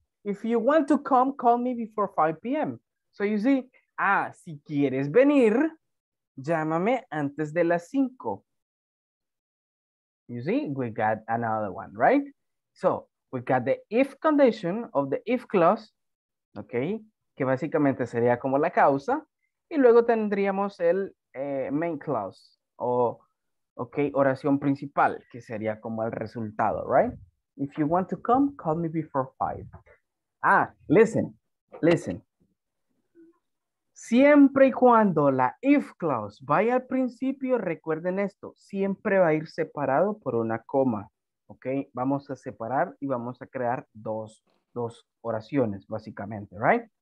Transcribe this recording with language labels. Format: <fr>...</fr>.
<en>If you want to come, call me before 5 p.m. So you see,</en> <es>si quieres venir, llámame antes de las 5.</es> <en>You see, we got another one, right? So we got the if condition of the if clause, okay?</en> <es>Que básicamente sería como la causa. Y luego tendríamos el main clause, o, okay, oración principal, que sería como el resultado, right?</es> <en>If you want to come, call me before 5. Ah, listen, listen.</en> <es>Siempre y cuando la if clause vaya al principio, recuerden esto, siempre va a ir separado por una coma, ¿ok? Vamos a separar y vamos a crear dos oraciones, básicamente, ¿right?</es>